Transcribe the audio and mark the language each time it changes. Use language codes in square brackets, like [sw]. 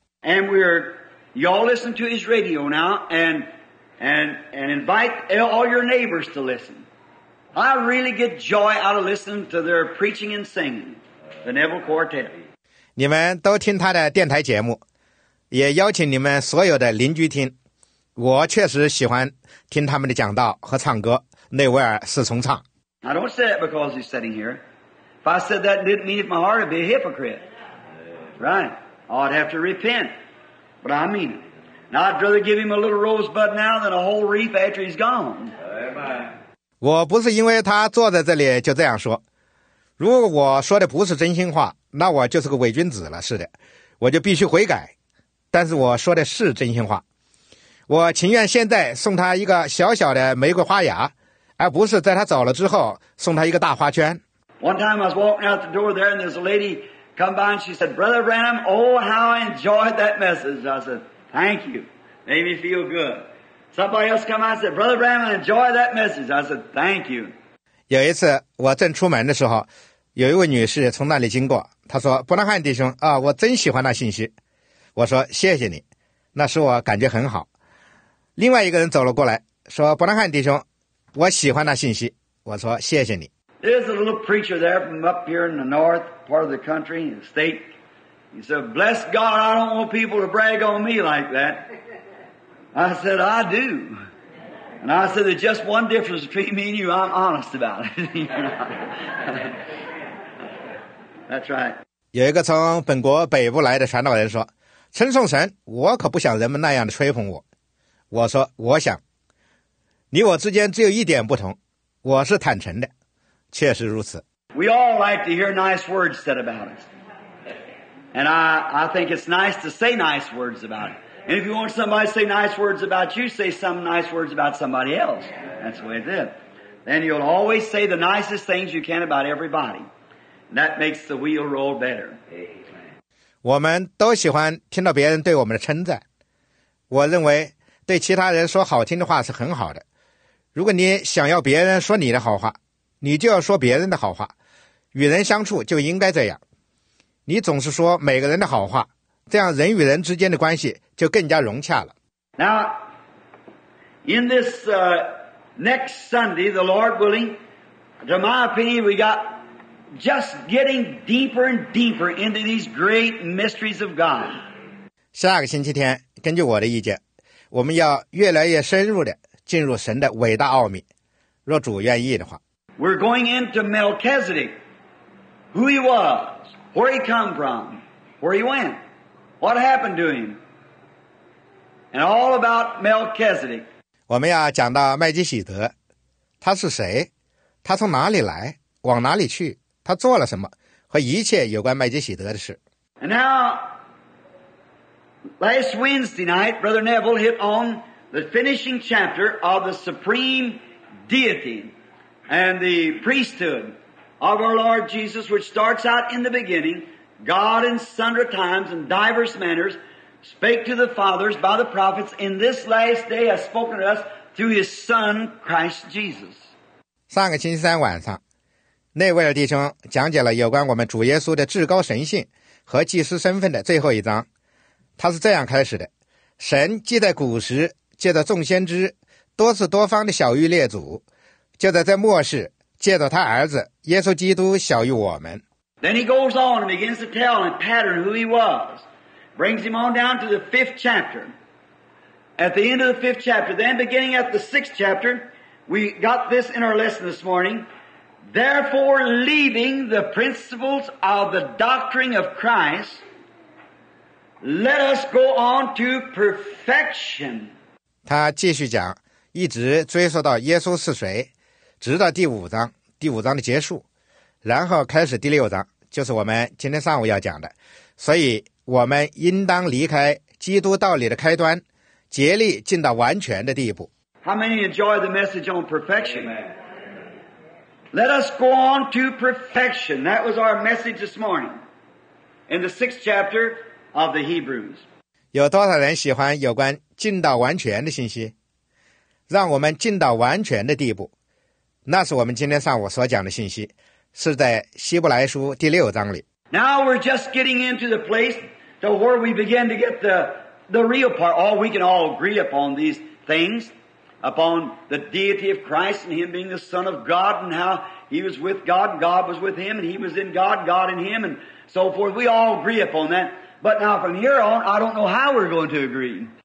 [en] And we're y'all listen to his radio now and invite all your neighbors to listen. I really get joy out of listening to their preaching and singing, the Neville Quartet. [zh] 你们都听他的电台节目，也邀请你们所有的邻居听，我确实喜欢听他们的讲道和唱歌，内维尔四重唱。 [en] I don't say it because he's sitting here. If I said that, didn't mean it in my heart, I'd be a hypocrite. Right. I'd have to repent. But I mean it. Now I'd rather give him a little rosebud now than a whole reef after he's gone. Amen. [zh] 我不是因为他坐在这里就这样说。如果我说的不是真心话，那我就是个伪君子了，是的。我就必须悔改。但是我说的是真心话。我情愿现在送他一个小小的玫瑰花芽，而不是在他走了之后送他一个大花圈。 [en] One time I was walking out the door there and there's a lady come by and she said, Brother Branham, oh how I enjoyed that message. I said, thank you. Made me feel good. Somebody else come by and said, Brother Branham, enjoy that message. I said, thank you. [zh] 有一次我正出门的时候，有一位女士从那里经过，她说，伯南汉弟兄啊，我真喜欢那信息。我说，谢谢你，那使我感觉很好。另外一个人走了过来，说，伯南汉弟兄，我喜欢那信息。我说，谢谢你。 [en] There's a little preacher there from up here in the north part of the country, in the state. He said, bless God, I don't want people to brag on me like that. I said, I do. And I said, there's just one difference between me and you. I'm honest about it. That's right. [zh] 有一个从本国北部来的传道人说，称颂神，我可不想人们那样的吹捧我。我说，我想，你我之间只有一点不同，我是坦诚的。确实如此。 [en] We all like to hear nice words said about us. And I think it's nice to say nice words about it. And if you want somebody to say nice words about you, say some nice words about somebody else. That's the way it is. Then you'll always say the nicest things you can about everybody. And that makes the wheel roll better. [zh] 我们都喜欢听到别人对我们的称赞。我认为对其他人说好听的话是很好的。如果你想要别人说你的好话，你就要说别人的好话，与人相处就应该这样。你总是说每个人的好话，这样人与人之间的关系就更加融洽了。 [en] Now, in this next Sunday, the Lord willing, to my opinion, we got just getting deeper and deeper into these great mysteries of God. [zh] 下个星期天，根据我的意见，我们要越来越深入地进入神的伟大奥秘，若主愿意的话。 [en] We're going into Melchizedek, who he was, where he come from, where he went, what happened to him, and all about Melchizedek. [zh] 我们要讲到麦基洗德，他是谁，他从哪里来，往哪里去，他做了什么，和一切有关麦基洗德的事。 [en] And now, last Wednesday night, Brother Neville hit on the finishing chapter of the Supreme Deity. And the priesthood of our Lord Jesus, which starts out in the beginning, God in sundry times and diverse manners spake to the fathers by the prophets, in this last day has spoken to us through his Son, Christ Jesus. [zh] 上个星期三晚上，内维尔弟兄讲解了有关我们主耶稣的至高神性和祭司身份的最后一章。他是这样开始的：神既在古时借着众先知多次多方的晓谕列祖，就在末世借着他儿子耶稣基督晓谕我们。 [en] Then he goes on and begins to tell and pattern who he was. Brings him on down to the fifth chapter. At the end of the fifth chapter, then beginning at the sixth chapter, we got this in our lesson this morning. Therefore, leaving the principles of the doctrine of Christ, let us go on to perfection. [zh] 他继续讲，一直追溯到耶稣是谁。直到第五章，第五章的结束，然后开始第六章，就是我们今天上午要讲的。所以我们应当离开基督道理的开端，竭力进到完全的地步。 [en] How many enjoy the message on perfection? Let us go on to perfection. That was our message this morning in the sixth chapter of the Hebrews. [zh] 有多少人喜欢有关进到完全的信息？让我们进到完全的地步。那是我们今天上午所讲的信息，是在希伯来书第六章里。 [en] Now we're just getting into the place to where we begin to get the real part. All we can all agree upon these things, upon the deity of Christ and Him being the Son of God and how He was with God and God was with Him and He was in God, God in Him and so forth. We all agree upon that. But now from here on, I don't know how we're going to agree.